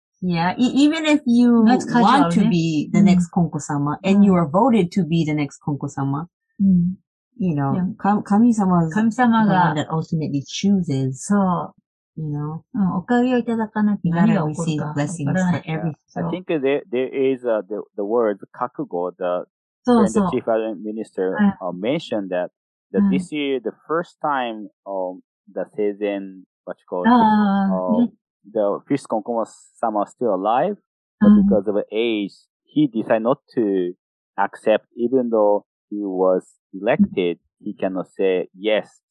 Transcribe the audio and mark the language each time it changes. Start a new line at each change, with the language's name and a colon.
English: Yeah, even if you want to be the next Konko-sama and you are voted to be the next Konko-sama, you know, Kami-sama is the one that ultimately chooses. So, you know,
Japanese: おかげをいただかなきゃ何が起こるか分からない。
English: I think there is the word kakugo, the chief minister mentioned that this year, the first time the season, what you call it, the first Konko Sama still alive, but because of age, he decided not to accept, even though he was elected, he cannot say yes.